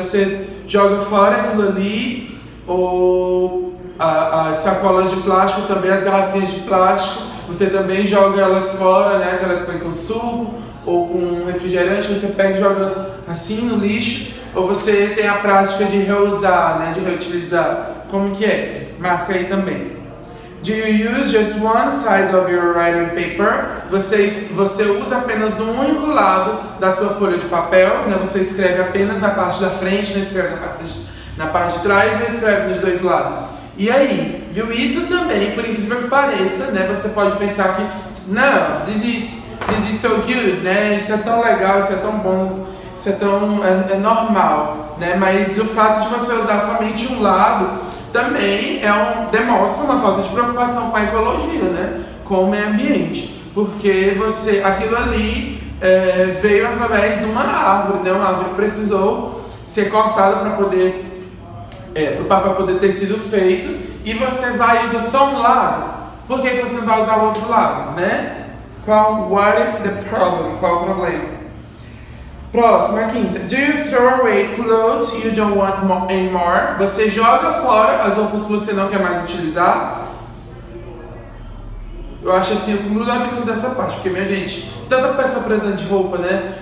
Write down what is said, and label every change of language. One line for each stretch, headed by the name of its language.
Portuguese: Você joga fora aquilo ali, ou as sacolas de plástico, também as garrafinhas de plástico, você também joga elas fora, né? Aquelas que vêm com suco ou com refrigerante, você pega e joga assim no lixo, ou você tem a prática de reusar, né? De reutilizar. Como que é? Marca aí também.
English: Do you use just one side of your writing paper?
Portuguese: Você usa apenas um único lado da sua folha de papel, né? Você escreve apenas na parte da frente, não escreve na parte de trás, não escreve nos dois lados. E aí, viu? Isso também, por incrível que pareça, né? Você pode pensar que, não,
English: this is so good,
Portuguese: né? Isso é tão legal, isso é tão bom, isso é tão é normal, né? Mas o fato de você usar somente um lado também demonstra uma falta de preocupação com a ecologia, né? Com o meio ambiente. Porque você, aquilo ali veio através de uma árvore, né? Uma árvore precisou ser cortada para poder poder ter sido feito. E você vai usar só um lado. Por que você vai usar o outro lado, né? Qual o problema? Próxima, quinta.
English: Do you throw away clothes you don't want anymore?
Portuguese: Você joga fora as roupas que você não quer mais utilizar? Eu acho assim, o cúmulo absurdo dessa parte, porque, minha gente, tanta peça presente de roupa, né?